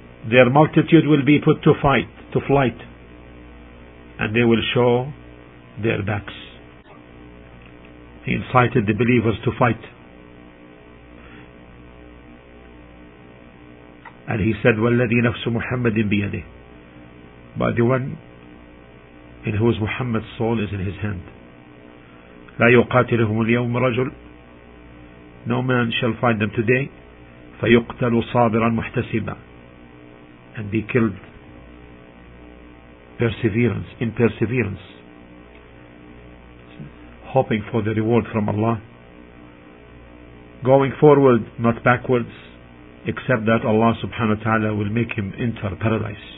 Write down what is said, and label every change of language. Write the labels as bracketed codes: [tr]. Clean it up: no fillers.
[en] Their multitude will be put to fight, to flight, and they will show their backs. He incited the believers to fight. And he said, [ar] وَالَّذِي نَفْسُ مُحَمَّدٍ بِيَدِهِ. [en] By the one in whose Muhammad's soul is in his hand. [ar] لَا يُقَاتِلُهُمُ الْيَوْمُ رَجُلٌ. [en] No man shall find them today. [ar] فَيُقْتَلُوا صَابِرًا مُحْتَسِبًا. [en] And be killed in perseverance, hoping for the reward from Allah, going forward, not backwards, except that Allah subhanahu wa ta'ala will make him enter paradise.